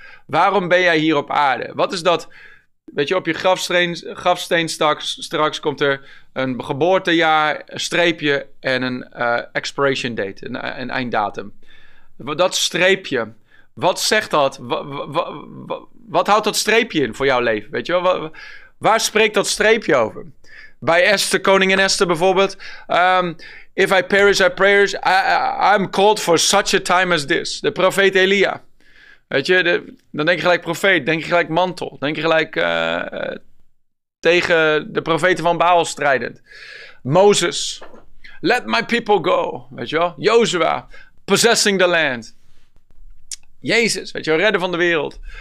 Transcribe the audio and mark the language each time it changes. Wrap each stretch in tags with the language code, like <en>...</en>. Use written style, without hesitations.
<nl>Waarom ben jij hier op aarde? Wat is dat? Weet je, op je grafsteen straks komt er een geboortejaar, een streepje en een</nl> <en>expiration date,</en> <nl>een einddatum. Dat streepje, wat zegt dat? Wat houdt dat streepje in voor jouw leven? Weet je wel, waar spreekt dat streepje over? Bij Esther, koningin Esther bijvoorbeeld.</nl> <en>If I perish, I perish. I'm called for such a time as this.</en> <nl>De profeet Elia. Weet je, dan denk je gelijk profeet, denk je gelijk mantel, denk je gelijk tegen de profeten van Baal strijdend. Mozes,</nl> <en>let my people go,</en> <nl>weet je wel. Jozua,</nl> <en>possessing the land.</en> <nl>Jezus, weet je wel, redder van de wereld.</nl>